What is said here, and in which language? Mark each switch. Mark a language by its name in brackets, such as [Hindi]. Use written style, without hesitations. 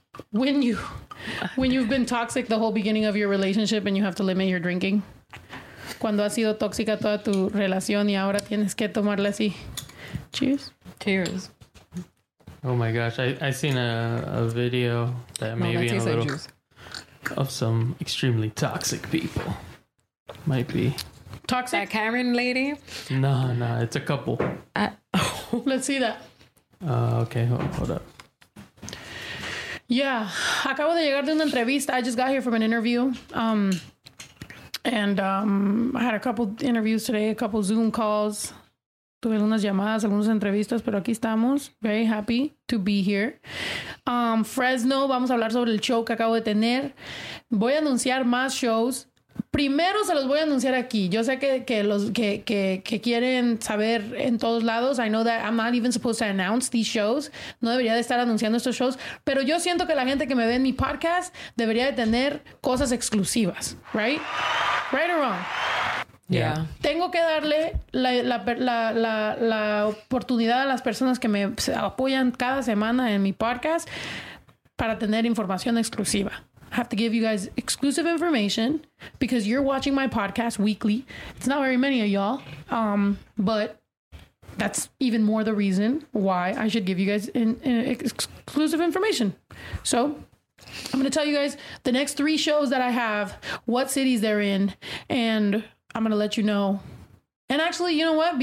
[English] When you've been toxic the whole beginning of your relationship and you have to limit your drinking. [Spanish] Cuando has sido tóxica toda tu relación y ahora tienes que tomarla así. [English] Cheers. Cheers. Oh my gosh, I seen a video that no, maybe that in a little like juice. Of some extremely toxic people. Might be. Toxic? That Karen lady? No, it's a couple. Let's see that. Okay, hold up. Yeah, [Spanish] acabo de llegar de una entrevista. [English] I just got here from an interview. I had a couple interviews today, a couple Zoom calls. [Spanish] Tuve algunas llamadas, algunas entrevistas, pero aquí estamos. [English] Very happy to be here. [Spanish] Fresno, vamos a hablar sobre el show que acabo de tener. Voy a anunciar más shows. Primero se los voy a anunciar aquí. Yo sé que quieren saber en todos lados. [English] I know that I'm not even supposed to announce these shows. [Spanish] No debería de estar anunciando estos shows. Pero yo siento que la gente que me ve en mi podcast debería de tener cosas exclusivas. [English] Right? Right or wrong? Yeah. [Spanish] Tengo que darle la oportunidad a las personas que me apoyan cada semana en mi podcast para tener información exclusiva. [English] I have to give you guys exclusive information because you're watching my podcast weekly. It's not very many of y'all, but that's even more the reason why I should give you guys exclusive information. So I'm going to tell you guys the next three shows that I have, what cities they're in, and I'm going to let you know. And actually, you know what?